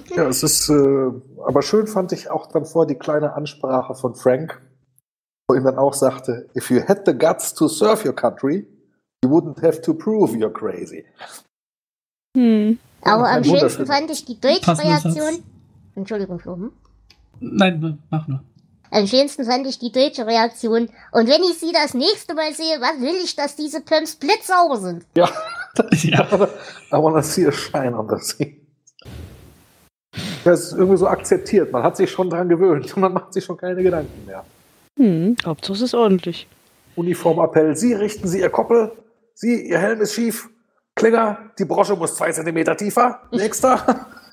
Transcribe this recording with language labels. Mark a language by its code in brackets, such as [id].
[de] Ja, es ist, aber schön fand ich auch dann vor die kleine Ansprache von Frank, wo ihm dann auch sagte, [en] if you had the guts to serve your country, you wouldn't have to prove you're crazy. [de] Aber am schönsten fand ich die deutsche Reaktion. Entschuldigung, Flo. Nein, mach nur. Am schönsten fand ich die deutsche Reaktion. Und wenn ich sie das nächste Mal sehe, was will ich, dass diese Pumps blitzsauber sind? Ja. Ja. [en] I wanna see a shine on the scene. [de] Das ist irgendwie so akzeptiert. Man hat sich schon dran gewöhnt und man macht sich schon keine Gedanken mehr. Hauptsache es ist ordentlich. Uniformappell. Sie richten Sie Ihr Koppel. Sie, Ihr Helm ist schief. Klinger, die Brosche muss 2 Zentimeter tiefer. Nächster.